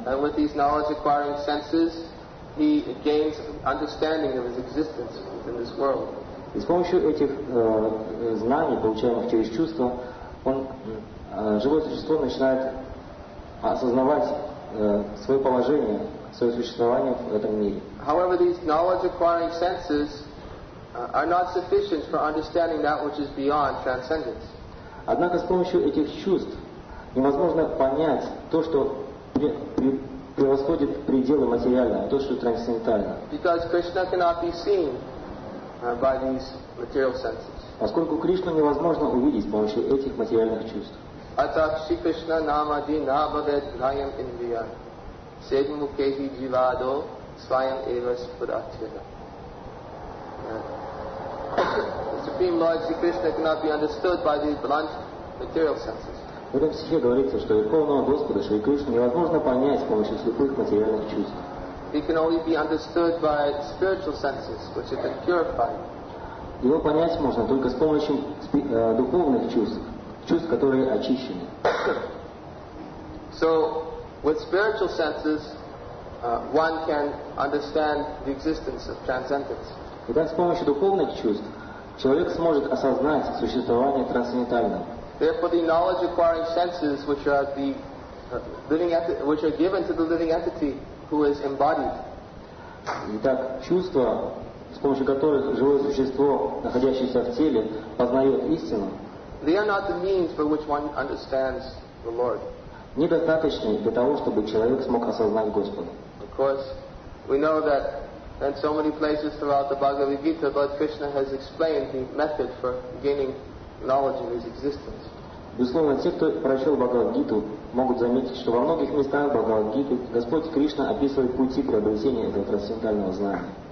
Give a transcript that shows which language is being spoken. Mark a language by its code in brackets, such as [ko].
[en] And with these knowledge acquiring senses, he gains understanding of his existence in this world. [ru] И с помощью этих знаний, получаемых через чувства, он, живое существо начинает осознавать свое положение, свое существование в этом мире. [en] However, these knowledge acquiring senses are not sufficient for understanding that which is beyond transcendence. [ru] Однако с помощью этих чувств невозможно понять то, что превосходит пределы материального, то, что трансцендентально. [en] Because Krishna cannot be seen by these material senses. [ru] Поскольку Кришну невозможно увидеть с помощью этих материальных чувств. [sa] Атак Шри Кришна нама ди набавет райам индия. Седь мукехи дживадо свайам эвас пуратхира. [en] Supreme Lord Sri Krishna cannot be understood by these blunt material senses. [ru] В этом стихе говорится, что Верховного Господа Шри Кришна невозможно понять с помощью слепых материальных чувств. [en] He can only be understood by spiritual senses, which have been purified. [ru] Его понять можно только с помощью духовных чувств, чувств, которые очищены. [en] So, with spiritual senses, one can understand the existence of transcendence. [ru] Итак, с помощью духовных чувств человек сможет осознать существование трансцендентального. [en] Therefore, the knowledge acquiring senses, which are the living, which are given to the living entity who is embodied. [ru] Итак, чувства, с помощью которых живое существо, находящееся в теле, познает истину. [en] They are not the means by which one understands the Lord. [ru] Недостаточны для того, чтобы человек смог осознать Господа. [en] Of course, we know that in so many places throughout the Bhagavad Gita, Lord Krishna has explained the method for gaining knowledge of His existence. [ru] Безусловно, те, кто прочел Бхагавад Гиту, могут заметить, что во многих местах Бхагавад Гиты Господь Кришна описывает пути приобретения этого трансцендентального знания.